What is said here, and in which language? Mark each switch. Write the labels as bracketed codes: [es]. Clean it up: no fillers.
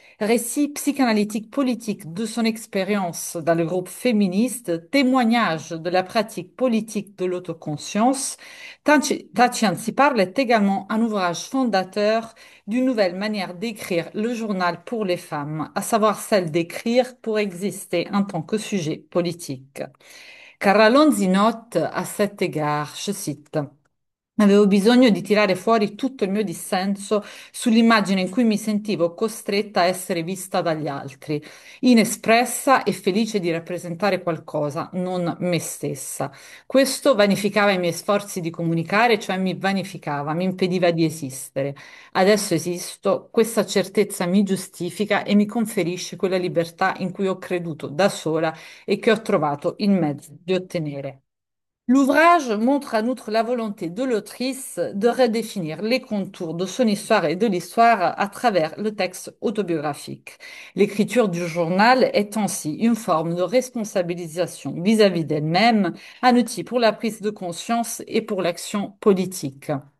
[fr] Récit psychanalytique politique de son expérience dans le groupe féministe, témoignage de la pratique politique de l'autoconscience, Tacian si parla est également un ouvrage fondateur d'une nouvelle manière d'écrire le journal pour les femmes, à savoir celle d'écrire pour exister en tant que sujet politique. [it] Carla Lonzi note à cet égard, je cite, avevo bisogno di tirare fuori tutto il mio dissenso sull'immagine in cui mi sentivo costretta a essere vista dagli altri, inespressa e felice di rappresentare qualcosa, non me stessa. Questo vanificava i miei sforzi di comunicare, cioè mi vanificava, mi impediva di esistere. Adesso esisto, questa certezza mi giustifica e mi conferisce quella libertà in cui ho creduto da sola e che ho trovato il mezzo di ottenere. [fr] L'ouvrage montre en outre la volonté de l'autrice de redéfinir les contours de son histoire et de l'histoire à travers le texte autobiographique. L'écriture du journal est ainsi une forme de responsabilisation vis-à-vis d'elle-même, un outil pour la prise de conscience et pour l'action politique.